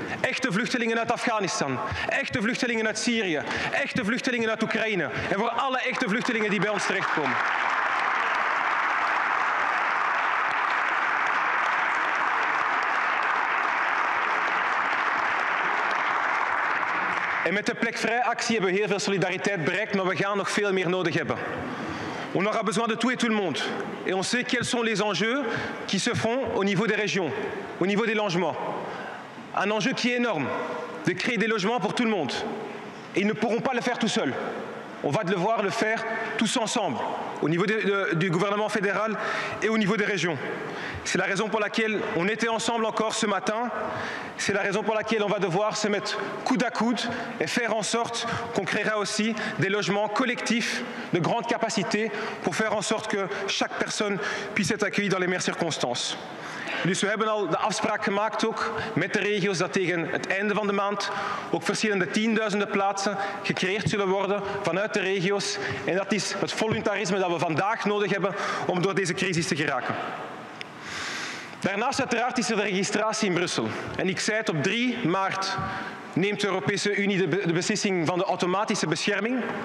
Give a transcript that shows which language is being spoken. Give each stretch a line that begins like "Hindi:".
Dutch: Echte vluchtelingen uit Afghanistan, echte vluchtelingen uit Syrië, echte vluchtelingen uit Oekraïne en voor alle echte vluchtelingen die bij ons terechtkomen. En met de plekvrijactie hebben we heel veel solidariteit bereikt, maar we gaan nog veel meer nodig hebben.
French: On aura besoin de tout et tout le monde. Et on sait quels sont les enjeux qui se font au niveau des régions, au niveau des logements. Un enjeu qui est énorme, de créer des logements pour tout le monde. Et ils ne pourront pas le faire tout seuls. On va devoir le faire tous ensemble, au niveau du gouvernement fédéral et au niveau des régions. C'est la raison pour laquelle on était ensemble encore ce matin. C'est la raison pour laquelle on va devoir se mettre coude à coude et faire en sorte qu'on créera aussi des logements collectifs de grande capacité pour faire en sorte que chaque personne puisse être accueillie dans les meilleures circonstances.
Dutch: Dus we hebben al de afspraak gemaakt ook met de regio's dat tegen het einde van de maand ook verschillende tienduizenden plaatsen gecreëerd zullen worden vanuit de regio's. En dat is het voluntarisme dat we vandaag nodig hebben om door deze crisis te geraken. Daarnaast uiteraard is er de registratie in Brussel. En ik zei het, op 3 maart neemt de Europese Unie de beslissing van de automatische bescherming.